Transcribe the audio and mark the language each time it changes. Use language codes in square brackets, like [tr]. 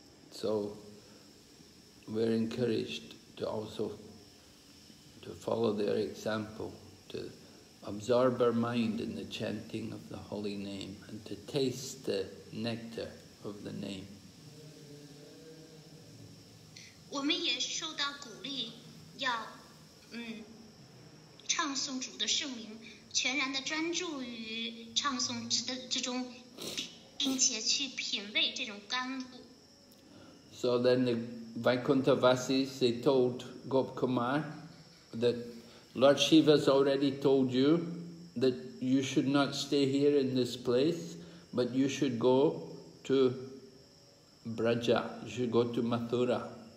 [en] So we're encouraged to also to follow their example, to absorb our mind in the chanting of the holy name and to taste the nectar of the name. [zh] 我们也受到鼓励要唱诵主的圣名，全然地专注于唱诵之中，并且去品味这种甘露。 [en] So then the Vaikuntha Vasis, they told Gop Kumar that Lord Shiva's already told you that you should not stay here in this place, but you should go to Braja, you should go to Mathura.